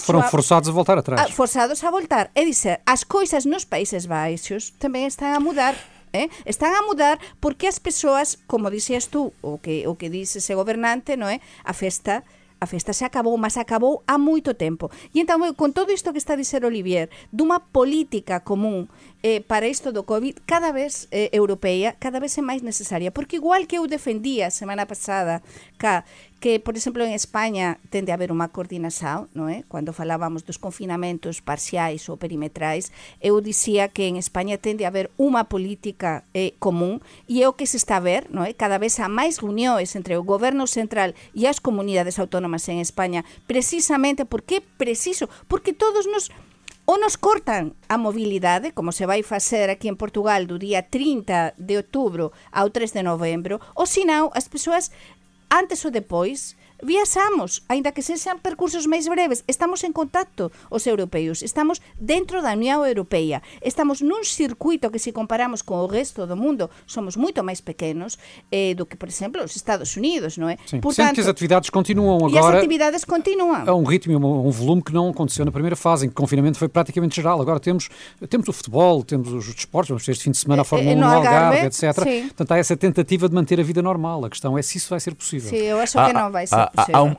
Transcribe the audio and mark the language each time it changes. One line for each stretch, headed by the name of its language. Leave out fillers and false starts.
Portuguese: Foram forçados a voltar atrás. Forçados a voltar. É dizer, as coisas nos Países Baixos também estão a mudar.
Galician: Están a mudar porque as persoas, como dixías tú, o que dixe ese gobernante, ¿no é?
Portuguese: A festa se acabou, mas acabou há moito tempo.
Galician: E então, con todo isto que está a dizer Olivier, dunha política común para isto do COVID, cada vez europeia, cada vez é máis necesaria. Porque igual que eu defendía semana pasada que, por exemplo, en España tende a haber unha coordinação,
Portuguese: não é?
Galician: Quando falábamos dos confinamentos parciais ou perimetrais, eu dizia que en España tende a haber unha política común e é o que se está a ver,
Portuguese: não é?
Galician: Cada vez há máis reuniões entre o goberno central e as comunidades autónomas en España, precisamente porque é preciso, porque todos nos... Ou nos cortan a mobilidade, como se vai facer aquí en Portugal do día 30 de outubro ao 3 de novembro, ou senão as persoas, antes ou depois, viaxamos, aínda que sexan percursos máis breves, estamos en contacto os europeos, estamos dentro da Unión Europea, estamos nun circuito que se comparamos con o resto do mundo somos moito máis pequenos do que, por exemplo, os Estados Unidos, non é?
Portuguese: Sim, portanto, sempre que as atividades continuam agora... E as atividades continuam. É um ritmo, um volume que não aconteceu na primeira fase, em que o confinamento foi praticamente geral. Agora temos o futebol, temos os desportos, vamos ter este fim de semana a Fórmula 1 no Algarve, etc. Sim. Portanto, há essa tentativa de manter a vida normal. A questão é se isso vai ser possível. Sim, eu acho que não vai ser possível.